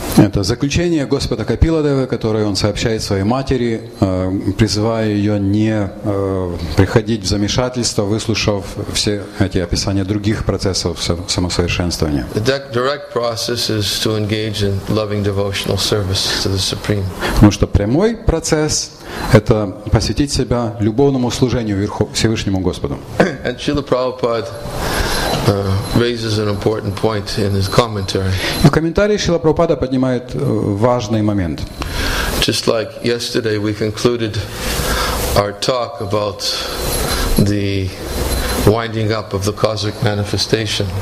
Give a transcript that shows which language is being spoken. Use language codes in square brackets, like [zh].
[ru] Это заключение Господа Капиладевы, которое он сообщает своей матери, призывая ее не приходить в замешательство, выслушав все эти описания других процессов самосовершенствования. [en] The direct process is to engage in loving devotional service to the Supreme. [ru] Потому что прямой процесс – это посвятить себя любовному служению Всевышнему Господу. [en] And Srila Prabhupada raises an important point in his commentary. [ru] В комментарии Шрила Прабхупада поднимает важный момент. [en] Just like yesterday, we concluded our talk about the winding up of the cosmic manifestation.